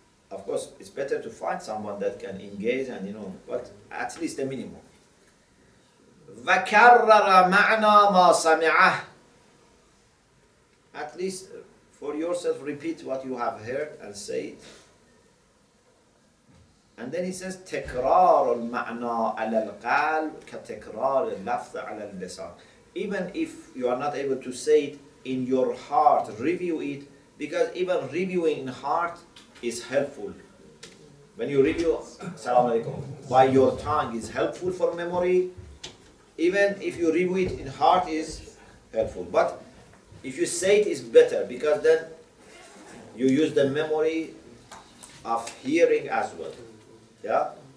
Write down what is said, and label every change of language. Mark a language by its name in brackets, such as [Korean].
[English] Of course, it's better to find someone that can engage and, you know, but at least the minimum. [Arabic] وَكَرَّرَ مَعْنَى مَا سَمِعَهُ. [English] At least for yourself, repeat what you have heard and say it. And then he says, [Arabic] تكرار المعنى على القلب كتكرار اللفظ على اللسان. [English] Even if you are not able to say it in your heart, review it, because even reviewing in heart is helpful. When you review, salam alaikum, by your tongue is helpful for memory. Even if you review it in heart is helpful. But if you say it is better, because then you use the memory of hearing as well. Yeah.